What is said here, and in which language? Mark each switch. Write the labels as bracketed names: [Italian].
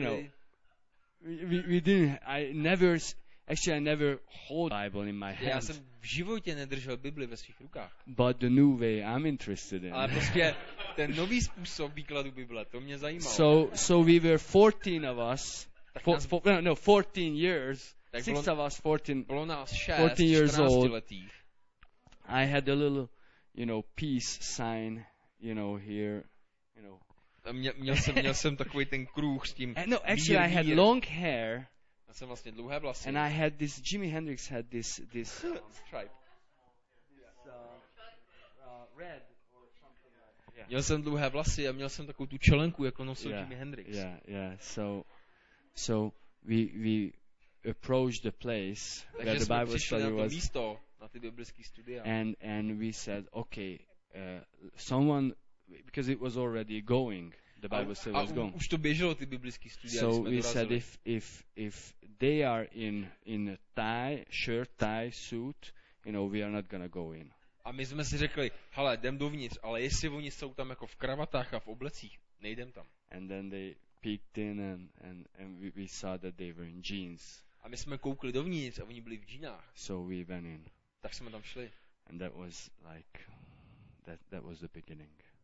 [English] You know, I never hold Bible in my hand. [Czech] Já jsem v životě nedržel Bibli ve svých rukách. [English] But the new way I'm interested in. [Czech] Ale prostě ten nový způsob výkladu Bible, to mě zajímalo. [English] So we were 14 of us. No, 14 years. Six of us, 14. [Czech] Bylo nás 6, [English] 14 years old. [Czech] Letých. [English] I had a little, you know, peace sign, you know, here, you know. [Czech] Měl jsem takový ten kruh s tím. [English] No, actually, I had long hair. [Czech] Já jsem vlastně dlouhé vlasy. [English] And I had this. Jimi Hendrix had this stripe. Red or something. [Czech] Měl jsem dlouhé vlasy a měl jsem takovou tu čelenku, jako nosil Jimi Hendrix. [English] Yeah. So we approached the place where the Bible study was. [Czech] Takže jsme přišli na to místo, na ty biblické studia. [English] And we said, okay, someone. Because it was already going, the Bible study was going. [Czech] Už to běželo ty biblické studia. [English] So we said if they are in a tie shirt, tie suit, you know, we are not gonna go in. [Czech] A my jsme si řekli, hele, jdem dovnitř, ale jestli oni jsou tam jako v kravatách a v oblecích, nejdem tam. [English] And then they peeked in and we saw that they were in jeans. [Czech] A my jsme koukli dovnitř a oni byli v džínách. [English] So we went in. [Czech] Tak jsme tam šli. [English] And that was like that was the beginning.